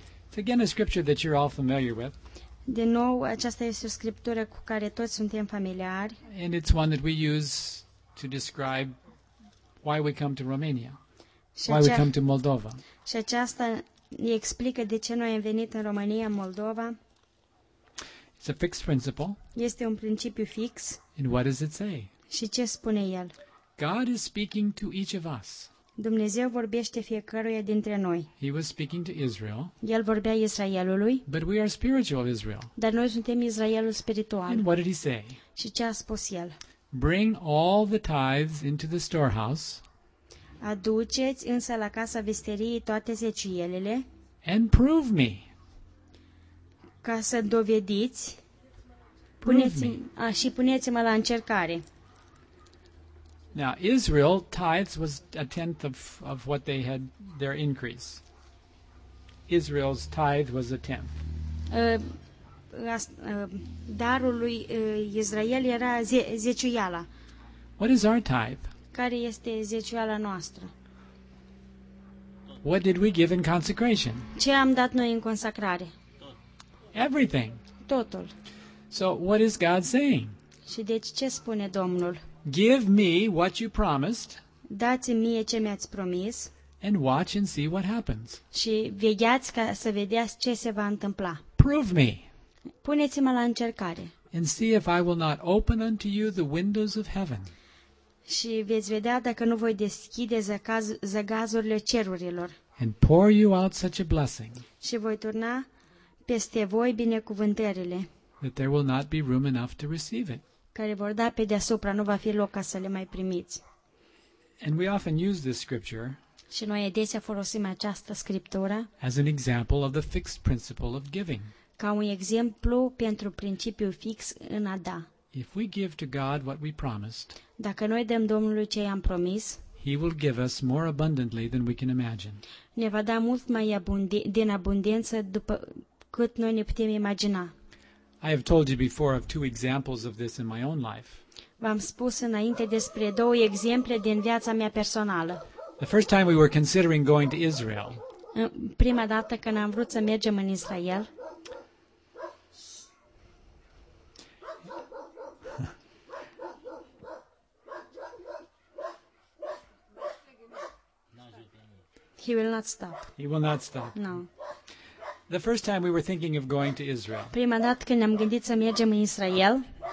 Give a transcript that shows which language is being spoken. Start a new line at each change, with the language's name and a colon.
English: It's again a scripture that you're all familiar with.
Romanian: De nou, aceasta este o scriptură cu care toți suntem familiari.
English: And it's one that we use to describe why we come to Romania. Why we come to Moldova.
Romanian: Și aceasta ne explică de ce noi am venit în România, Moldova.
English: It's a fixed principle.
Romanian: Este un principiu fix.
English: And what does it say?
Romanian: Și ce spune el?
English: God is speaking to each of us.
Romanian: Dumnezeu vorbește fiecăruia dintre noi.
English: He was speaking to Israel.
Romanian: El vorbea Israelului.
English: But we are spiritual Israel.
Romanian: Dar noi suntem Israelul spiritual.
English: And what did he say?
Romanian: Și ce a spus el?
English: Bring all the tithes into the storehouse.
Romanian: Aduceți însă la casa vestirii toate zeciuielile.
English: And prove me.
Romanian: Ca să dovediți. Și puneți-mă la încercare.
English: Now Israel tithes was a tenth of what they had their increase. Israel's tithe was a tenth.
Romanian: Darul lui Israel era zeciuiala.
English: What is our tithe?
Romanian: Care este zeciuiala noastră?
English: What did we give in consecration?
Romanian: Ce am dat noi în consacrare?
English: Everything.
Romanian: Totul.
English: So what is God saying?
Romanian: Și deci ce spune Domnul?
English: Give me what you promised.
Romanian: Dați-mi mie ce mi-ați promis.
English: And watch and see what happens.
Romanian: Și vegheați ca să vedeți ce se va întâmpla.
English: Prove me.
Romanian: Puneți-mă la încercare.
English: And see if I will not open unto you the windows of heaven.
Romanian: Și veți vedea dacă nu voi deschide zăgazurile cerurilor.
English: And pour you out such a blessing.
Romanian: Și voi turna peste voi binecuvântările.
English: That there will not be room enough to receive it.
Romanian: Care vor da pe deasupra, nu va fi loc ca să le mai primiți.
English: And we often use this scripture.
Romanian: Și noi adesea folosim această scriptură.
English: As an example of the fixed principle of giving.
Romanian: Ca un exemplu pentru principiul fix în a da.
English: If we give to God what we promised.
Romanian: Dacă noi dăm Domnului ce i-am promis.
English: He will give us more abundantly than we can imagine.
Romanian: Ne va da mult mai din abundență după cât noi ne putem imagina.
English: I have told you before of two examples of this in my own life.
Romanian: V-am spus înainte despre două exemple din viața mea personală.
English: The first time we were considering going to Israel.
Romanian: Prima dată când am vrut să mergem în Israel.
English: He will not stop. No. The first time we were thinking of going to Israel.
Romanian: Prima dată când ne-am gândit să mergem în Israel.